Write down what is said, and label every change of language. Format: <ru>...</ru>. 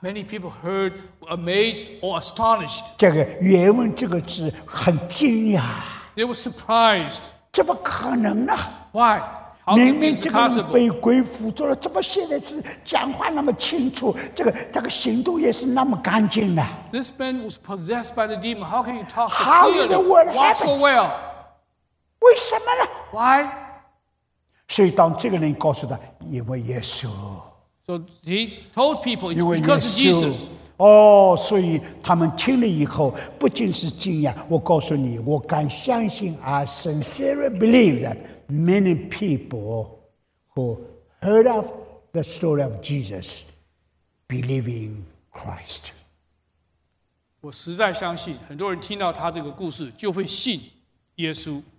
<en>Many people heard amazed or astonished。</en> <zh>这个原文这个字很惊讶。</zh> <en>They were surprised。</en> <zh>怎么可能呢</zh> <en>？Why？</en> <zh>明明这个人被鬼附着了，怎么现在是讲话那么清楚？这个行动也是那么干净呢？</zh> <en>This man was possessed by the demon. How can you talk so clearly? How in the world happened? Why so well?</en> <zh>为什么呢？</zh> <en>Why?</en> <zh>所以当这个人告诉他，因为耶稣。</zh> <en>So he told people it's because of Jesus.</en> <zh>哦，所以他们听了以后，不仅是惊讶。我告诉你，我敢相信 ，</zh> <en>I sincerely believe that. Many people who heard of the story of Jesus believe in Christ.</en> <zh>我实在相信，很多人听到他这个故事就会信耶稣，</zh>